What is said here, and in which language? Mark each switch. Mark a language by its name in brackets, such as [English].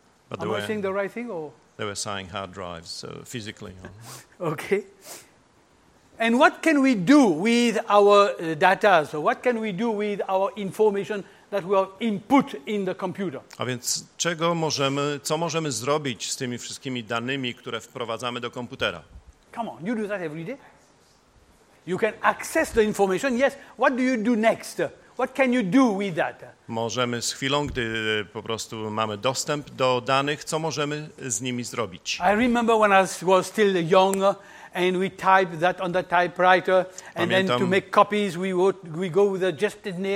[English] But am I saying the right thing or? They were saying hard drives, so physically. Okay. And what can we do with our data? So what can we do with our information that we have input in the computer? [Polish] A więc co możemy zrobić z tymi wszystkimi danymi, które wprowadzamy do komputera? [English] Come on, you do that every day. You can access the information, yes. What do you do next? What can you do with that? [Polish] Możemy z chwilą, gdy po prostu mamy dostęp do danych, co możemy z nimi zrobić? [English] I remember when I was still young and we typed that on the typewriter and [Polish] pamiętam, [English] then to make copies we go with a gesture.